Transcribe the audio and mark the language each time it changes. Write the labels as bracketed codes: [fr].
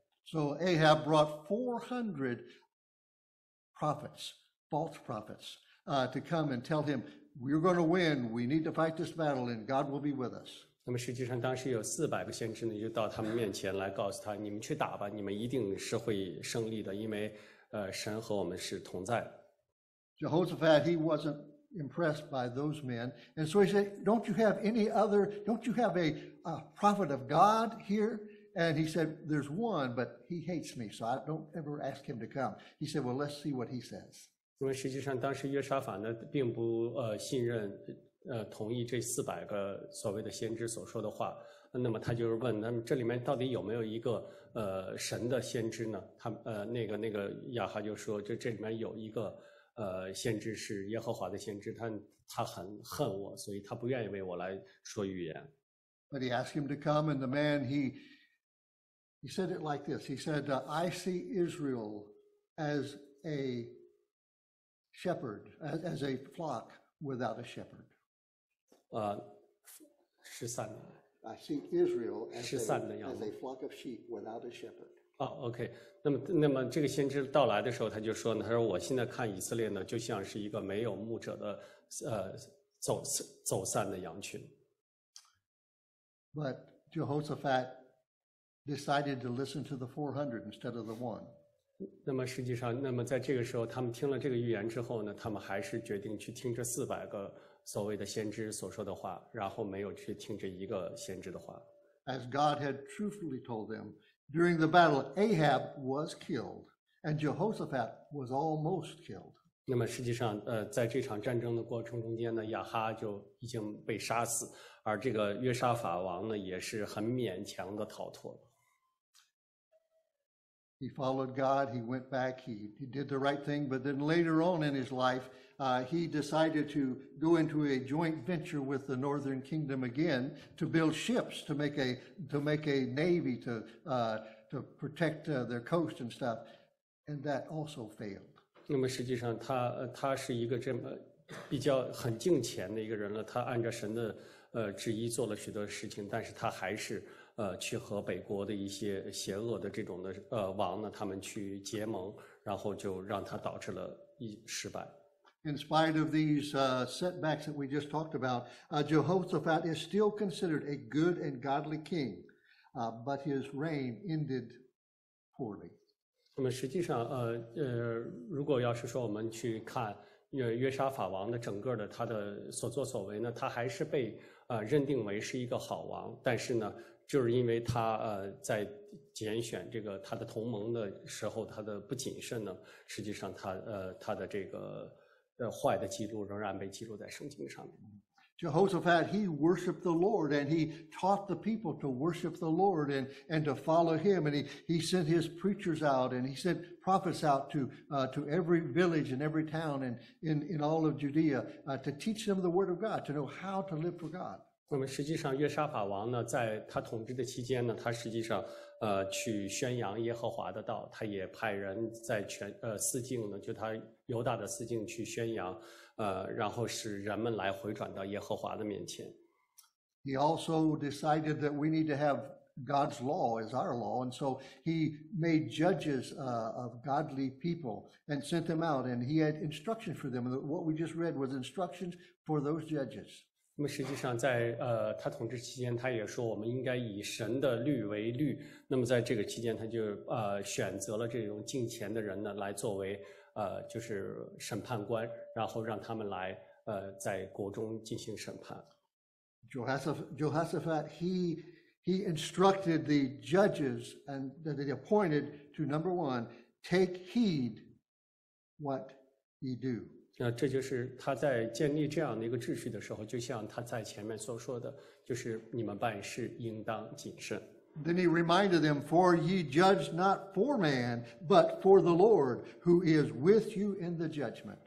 [en] So Ahab brought 400 prophets, false prophets, to come and tell him, "We're going to win. We need to fight this battle, and God will be with us." [zh] 那么实际上，当时有400个先知呢，就到他们面前来告诉他：“你们去打吧，你们一定是会胜利的，因为，神和我们是同在。” [en] Jehoshaphat, he wasn't impressed by those men, and so he said, "Don't you have any other? Don't you have a prophet of God here?" And he said, "There's one, but he hates me, so I don't ever ask him to come." He said, "Well, let's see what he says." [zh] 因为实际上，当时约沙法呢，并不信任同意这400个所谓的先知所说的话。那么他就是问，那么这里面到底有没有一个神的先知呢？他那个亚哈就说，这里面有一个。先知是耶和华的先知，他很恨我，所以他不愿意为我来说预言。 [en] But he asked him to come, and the man he said it like this. He said, "I see Israel as a shepherd, as a flock without a shepherd." [zh] 失散的。 [en] I see Israel as a flock of sheep without a shepherd. [zh] OK， 那么这个先知到来的时候，他就说呢，他说我现在看以色列呢，就像是一个没有牧者的走散的羊群。 [en] But Jehoshaphat decided to listen to the 400 instead of the one。 [zh] 那么实际上，那么在这个时候，他们听了这个预言之后呢，他们还是决定去听这400个所谓的先知所说的话，然后没有去听这一个先知的话。 [en] As God had truthfully told them. During the battle, Ahab was killed, and Jehoshaphat was almost killed. [zh] 那么实际上，在这场战争的过程中间呢，亚哈就已经被杀死，而这个约沙法王呢，也是很勉强的逃脱了。 [en] He followed God. He went back. He did the right thing. But then later on in his life, he decided to go into a joint venture with the Northern Kingdom again to build ships to make a navy to protect their coast and stuff. And that also failed. [zh] 那么实际上他是一个这么比较很敬虔的一个人了。他按照神的旨意做了许多事情，但是他还是。去和北国的一些邪恶的这种的王呢，他们去结盟，然后就让他导致了失败。 [en] In spite of these setbacks that we just talked about, Jehoshaphat is still considered a good and godly king, but his reign ended poorly. [zh] 那么实际上，如果要是说我们去看约沙法王的整个的他的所作所为呢，他还是被认定为是一个好王，但是呢。就是因为他在拣选这个他的同盟的时候，他的不谨慎呢，实际上他的这个坏的记录仍然被记录在圣经上面。 [en] Jehoshaphat, he worshipped the Lord, and he taught the people to worship the Lord and to follow him, and he sent his preachers out, and he sent prophets out to every village and every town and in all of Judea to teach them the word of God, to know how to live for God. [zh] 那么实际上，约沙法王呢，在他统治的期间呢，他实际上，去宣扬耶和华的道。他也派人在全四境呢，就他犹大的四境去宣扬，然后使人们来回转到耶和华的面前。 [en] He also decided that we need to have God's law as our law, and so he made judges of godly people and sent them out, and he had instructions for them. What we just read was instructions for those judges. [zh] 那么实际上在他统治期间，他也说我们应该以神的律为律。那么在这个期间，他就选择了这种敬虔的人呢，来作为就是审判官，然后让他们来在国中进行审判。 [en] Jehoshaphat, he instructed the judges and that they appointed to number one, take heed what ye do. [zh] 那这就是他在建立这样的一个秩序的时候，就像他在前面所说的，就是你们办事应当谨慎。 [en] Then he reminded them, "For ye judge not for man, but for the Lord, who is with you in the judgment."